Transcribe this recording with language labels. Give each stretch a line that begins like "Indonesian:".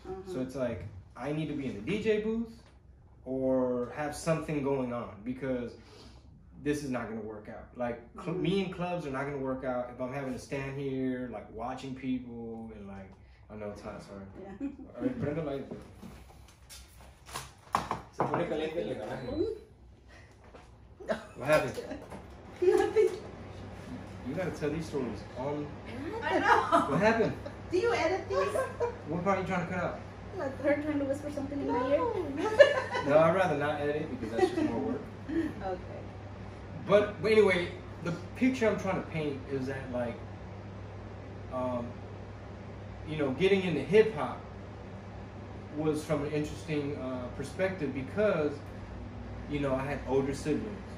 English: So it's like I need to be in the DJ booth or have something going on, because this is not going to work out. Like me and clubs are not going to work out if I'm having to stand here like watching people and like, I know it's hot, sorry. Yeah. All right,
Spanish: prende la. Se pone caliente el carajo.
English: What happened? Nothing. You gotta tell these stories on. I know. What happened? Do you edit these? What part are you trying to cut out? Her trying to whisper something in my ear. No, I'd rather not edit because that's just more work. Okay. But anyway, the picture I'm trying to paint is that, like, you know, getting into hip hop was from an interesting perspective because, you know, I had older siblings.